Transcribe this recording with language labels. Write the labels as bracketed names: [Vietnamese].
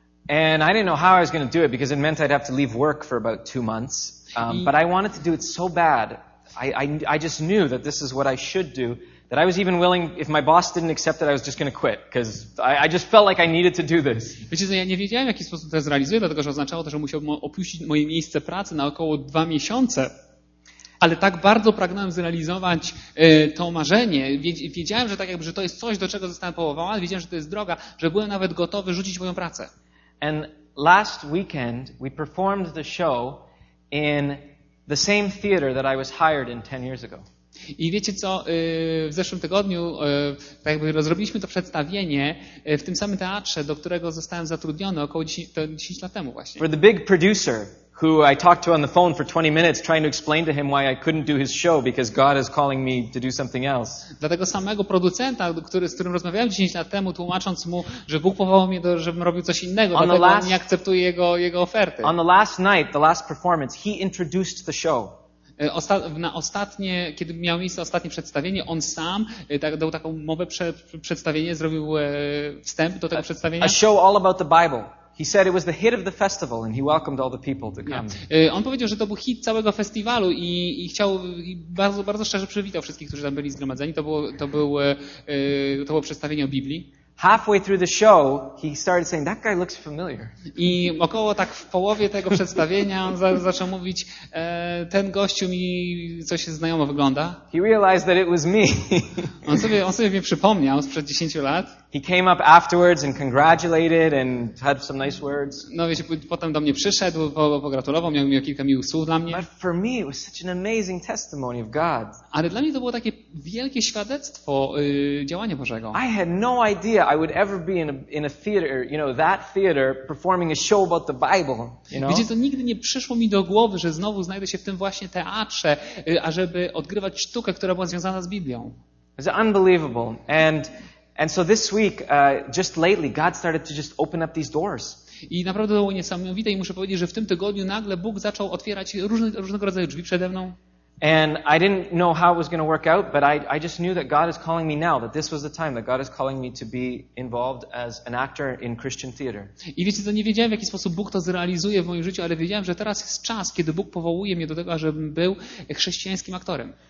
[English] And I didn't know how I was going to do it because it meant I'd have to leave work for about 2 months. But I wanted to do it so bad. I just knew that this is what I should do. That I was even willing, if my boss didn't accept it, I was just going to quit, because I just felt like I needed to do this. [Polish] Wiecie, ja nie wiedziałem, w jaki sposób to zrealizuję, dlatego że oznaczało to, że musiałbym opuścić moje miejsce pracy na około 2 miesiące, ale tak bardzo pragnąłem zrealizować to marzenie. Wiedziałem, że tak jakby, że to jest coś, do czego zostałem powołany, wiedziałem, że to jest droga, że byłem nawet gotowy rzucić moją pracę. [English] And last weekend we performed the show in the same theater that I was hired in 10 years ago. [Polish] I wiecie co, w zeszłym tygodniu tak jakby rozrobiliśmy to przedstawienie w tym samym teatrze, do którego zostałem zatrudniony około 10 lat temu właśnie. [English] For the big producer who I talked to on the phone for 20 minutes trying to explain to him why I couldn't do his show because God is calling me to do something else. [Polish] Dla tego samego producenta, z którym rozmawiałem 10 lat temu, tłumacząc mu, że Bóg powołał mnie, żebym robił coś innego, on dlatego nie akceptuję jego oferty. [English] On the last night, the last performance, he introduced the show. [Polish] Na ostatnie, kiedy miał miejsce ostatnie przedstawienie, on sam dał taką mowę, przedstawienie, zrobił wstęp do tego przedstawienia. [English] A show all about the Bible. He said it was the hit of the festival and he welcomed all the people to come. [Polish] On powiedział, że to był hit całego festiwalu i chciał i bardzo, bardzo szczerze przywitał wszystkich, którzy tam byli zgromadzeni. To było przedstawienie o Biblii. [English] Halfway through the show, he started saying, "That guy looks familiar." [Polish] I około tak w połowie tego przedstawienia on zaczął mówić, ten gościu mi coś znajomo wygląda. [English] He realized that it was me. [Polish] On sobie mnie przypomniał sprzed 10 lat. [English] He came up afterwards and congratulated and had some nice words. [Polish] No wiecie, potem do mnie przyszedł, pogratulował, miał kilka miłych słów dla mnie. [English] But for me, it was such an amazing testimony of God. [Polish] Ale dla mnie to było takie wielkie świadectwo działania Bożego. [English] I had no idea I would ever be in a theater, you know, that theater performing a show about the Bible, you know? [Polish] Wiecie, to nigdy nie przyszło mi do głowy, że znowu znajdę się w tym właśnie teatrze, ażeby odgrywać sztukę, która była związana z Biblią. [English] It's unbelievable. And so this week, just lately, God started to just open up these doors. [Polish] I naprawdę to było niesamowite i muszę powiedzieć, że w tym tygodniu nagle Bóg zaczął otwierać różnego rodzaju drzwi przede mną. [English] And I didn't know how it was going to work out, but I just knew that God is calling me now, that this was the time that God is calling me to be involved as an actor in Christian theater. [Polish] I wiecie, to nie wiedziałem, w jaki sposób Bóg to zrealizuje w moim życiu, ale wiedziałem, że teraz jest czas, kiedy Bóg powołuje mnie do tego, ażebym był chrześcijańskim aktorem.